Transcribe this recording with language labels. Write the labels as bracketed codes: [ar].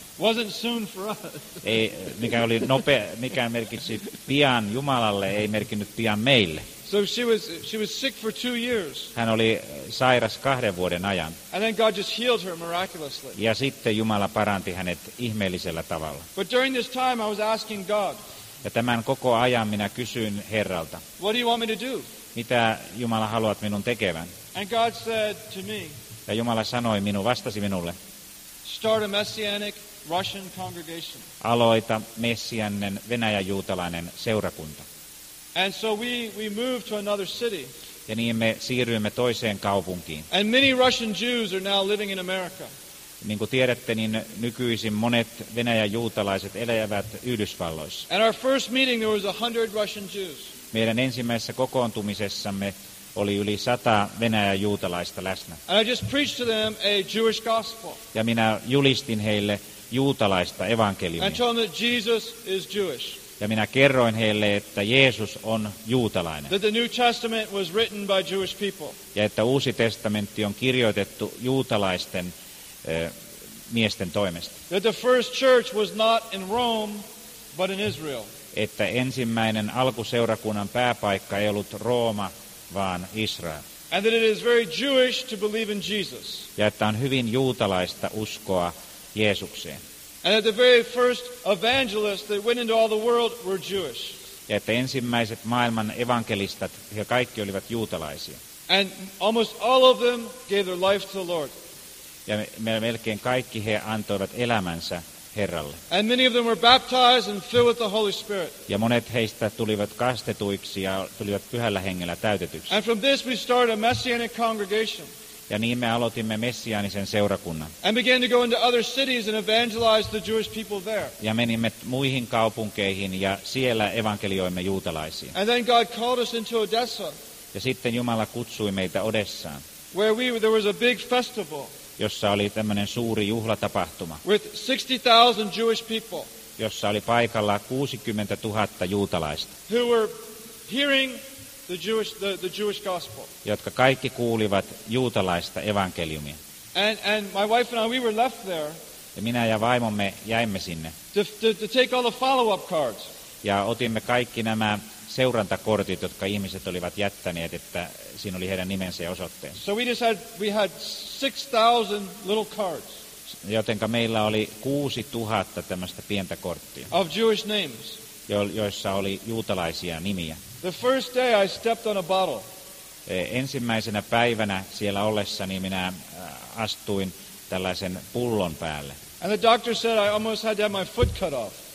[en] Wasn't soon for us. [fi] Ei, mikä oli mikä merkitsi pian Jumalalle, ei merkinnyt pian meille. [en] So she was sick for 2 years. [fi] Hän oli sairas 2 vuoden ajan. [en] And then God just healed her miraculously. [fi] Ja sitten Jumala paranti hänet ihmeellisellä tavalla. [en] But during this time I was asking God. [fi] Ja tämän koko ajan minä kysyin Herralta. [en] What do you want me to do? [fi] Mitä Jumala haluat minun tekevän? [en] And God said to me. [fi] Ja Jumala sanoi minun, vastasi minulle. [en] Start a messianic Russian congregation. [fi] Aloita messiaaninen venäjäjuutalainen seurakunta. [en] And so we moved to another city. [fi] Ja niin me siirryimme toiseen kaupunkiin. [en] And many Russian Jews are now living in America. [fi] Niin kuin tiedätte, niin nykyisin monet venäjäjuutalaiset elävät Yhdysvalloissa. [en] And our first meeting there was 100 Russian Jews. [fi] Meidän ensimmäisessä kokoontumisessamme oli yli 100 venäjäjuutalaista läsnä. [en] And I just preached to them a Jewish gospel. [fi] Ja minä julistin heille juutalaista evankeliumia. [en] And told them that Jesus is Jewish. [fi] Ja minä kerroin heille, että Jeesus on juutalainen. [en] That the New Testament was written by Jewish people. [fi] Ja että Uusi testamentti on kirjoitettu juutalaisten miesten toimesta. [en] That the first church was not in Rome, but in Israel. [fi] Että ensimmäinen alkuseurakunnan pääpaikka ei ollut Rooma, vaan Israel. [en] And that it is very Jewish to believe in Jesus. [fi] Ja että on hyvin juutalaista uskoa Jeesukseen. [en] And that the very first evangelists that went into all the world were Jewish. [fi] Ja että ensimmäiset maailman evankelistat, he kaikki olivat juutalaisia. [en] And almost all of them gave their life to the Lord. [fi] Ja melkein kaikki he antoivat elämänsä Herralle. [en] And many of them were baptized and filled with the Holy Spirit. [fi] Ja monet heistä tulivat kastetuiksi ja tulivat pyhällä hengellä täytetyksi. [en] And from this we started a messianic congregation. [fi] Ja niin me aloitimme messiaanisen seurakunnan. [en] And began to go into other cities and evangelize the Jewish people there. [fi] Ja menimme muihin kaupunkeihin ja siellä evankelioimme juutalaisia. [en] And then God called us into Odessa. [fi] Ja sitten Jumala kutsui meitä Odessaan. [en] Where there was a big festival. [fi] Jossa oli tämmöinen suuri juhlatapahtuma. [en] With 60,000 Jewish people. [fi] Jossa oli paikalla 60 000 juutalaista. [en] Who were hearing the Jewish gospel. [fi] Jotka kaikki kuulivat juutalaista evankeliumia. [en] And my wife and I, we were left there. [fi] Ja minä ja vaimomme jäimme sinne. [en] To take all the follow-up cards. [fi] Ja otimme kaikki nämä seurantakortit, jotka ihmiset olivat jättäneet, että siinä oli heidän nimensä ja osoitteensa. [en] So we decided we had 6,000 little cards. [fi] Jotenka meillä oli 6,000 tämmöistä pientä korttia. [en] Of Jewish names. [fi] Joissa oli juutalaisia nimiä. [en] The first day I stepped on a bottle. [fi] Ensimmäisenä päivänä siellä ollessani minä astuin tällaisen pullon päälle. [en] And the doctor said I almost had to have my foot cut off.